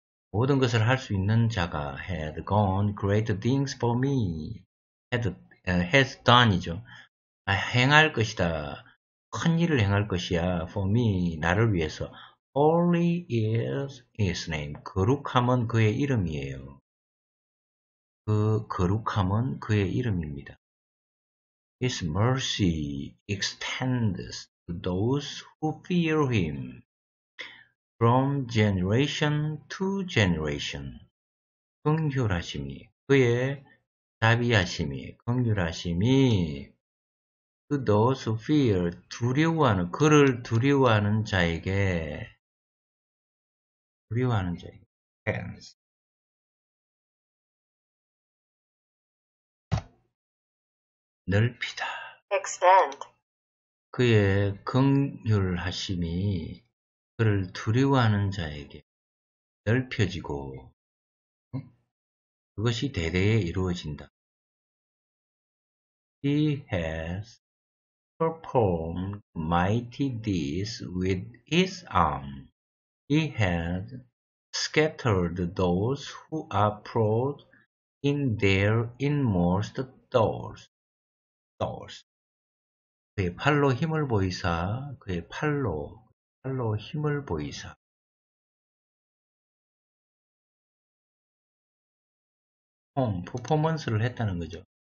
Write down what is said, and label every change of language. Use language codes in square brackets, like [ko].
[ko] 모든 것을 할 수 있는 자가 [en] had gone great things for me, has done이죠. [ko] 행할 것이다. 큰 일을 행할 것이야. [en] For me, [ko] 나를 위해서. [en] Holy is his name. [ko] 거룩함은 그의 이름이에요. 그 거룩함은 그의 이름입니다. [en] His mercy extends to those who fear him from generation to generation. [ko] 긍휼하심이, 그의 자비하심이, 긍휼하심이 [en] to those who fear, [ko] 두려워하는, 그를 두려워하는 자에게 두려워하는 자에게 [en] extends. [ko] 넓히다. [en] extend. [ko] 그의 긍휼하심이 그를 두려워하는 자에게 넓혀지고 그것이 대대에 이루어진다. [en] He has performed mighty deeds with his arm. He has scattered those who are proud in their inmost thoughts. [ko] 그의 팔로 힘을 보이사, 그의 팔로 힘을 보이사. 퍼포먼스를 했다는 거죠.